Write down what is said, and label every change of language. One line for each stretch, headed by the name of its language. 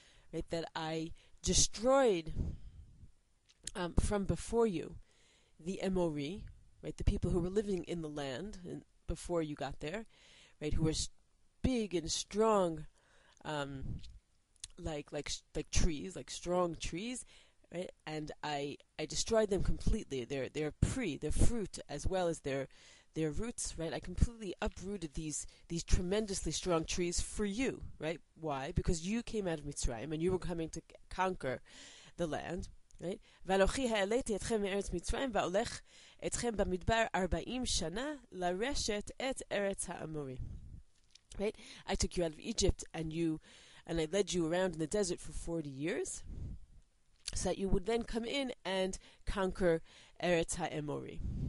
English: Right, that I destroyed from before you, the Emori, right, the people who were living in the land before you got there, right, who were big and strong, like trees, like strong trees, right, and I destroyed them completely. Their fruit as well as their roots, right. I completely uprooted these tremendously strong trees for you, right. Why? Because you came out of Mitzrayim and you were coming to conquer the land.
Hebrew: Right, ואלוחי העליתי אתכם מארץ מצרים ואולח אתכם במדבר 40 שנה לרשת את ארץ האמורי.
English: Right, I took you out of Egypt and I led you around in the desert for 40 years, so that you would then come in and conquer ארץ האמורי.